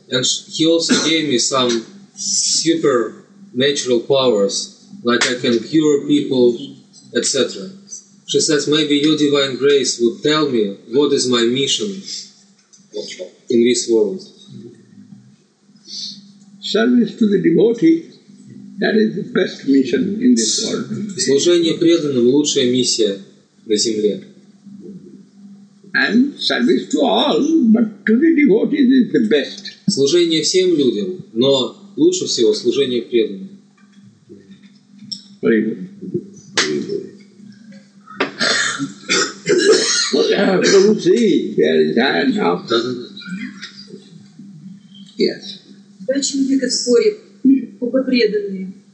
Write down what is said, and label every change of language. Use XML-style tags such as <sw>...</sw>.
<en>And he also gave me some supernatural powers, like I can cure people, etc. She says, maybe your divine grace would tell me what is my mission in this world. Service to the devotee, that is the best mission in this world.</en> <ru>Служение преданным – лучшая миссия на земле.</ru> <en>And service to all, but to the devotees is the best.</en> <ru>Служение всем людям, но лучше всего служение преданным. Два человека в споре, оба преданные.</ru>